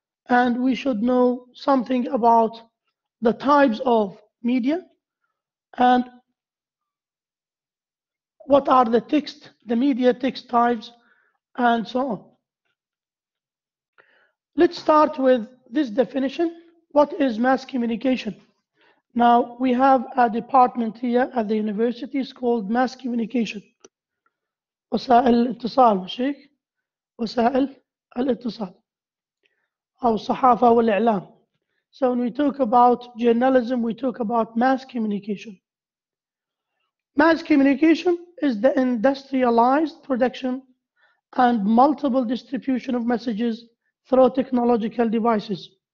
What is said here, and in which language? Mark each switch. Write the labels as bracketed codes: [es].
[en] And we should know something about the types of media and what are the text, the media text types, and so on. Let's start with this definition. What is mass communication? Now, we have a department here at the university. It's called mass communication. [ar] وسائل الاتصال مشيك وسائل الاتصال أو الصحافة والإعلام. [en] So when we talk about journalism, we talk about mass communication. Mass communication is the industrialized production and multiple distribution of messages through technological devices.